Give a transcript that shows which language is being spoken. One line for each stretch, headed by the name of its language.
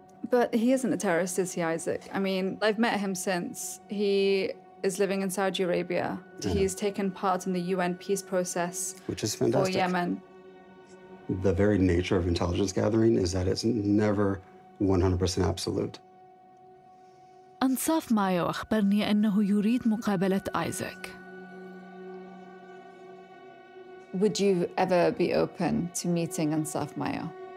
English: But he isn't a terrorist, is he, Isaac? I mean, I've met him since. He is living in Saudi Arabia. He's taken part in the UN peace process. Which is fantastic. For Yemen. The very nature of intelligence gathering is that it's never 100% absolute.
Arabic: أنصاف مايو أخبرني أنه يريد مقابلة آيزاك.
English: Would you ever be open to meeting Ansaf Mayo?